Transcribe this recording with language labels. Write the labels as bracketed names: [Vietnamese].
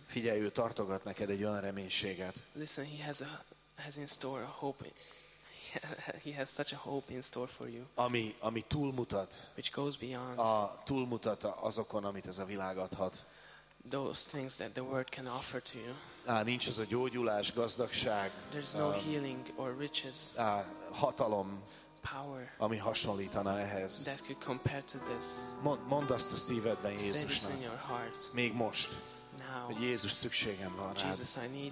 [Hungarian] Figyelj, ő tartogat neked egy olyan reménységet. [English] Listen, he has in store a hope. He has such a hope in store for you. [Hungarian] Ami túlmutat. [English] Which goes beyond. [Hungarian] A túlmutat azokon, amit ez a világ adhat. [English] Those things that the world can offer to you. [Hungarian] Nincs ez a gyógyulás, gazdagság. [English] There's no healing or riches. [Hungarian] Hatalom. [English] Power, [Hungarian] ami hasonlítana ehhez. [English] That could compare to this. [Hungarian] Mondd azt a szívedben Jézusnak. [English] In your heart. [Hungarian] Még most. [English] Now. [Hungarian] Hogy Jézus szükségem van rád. [English] Jesus, I need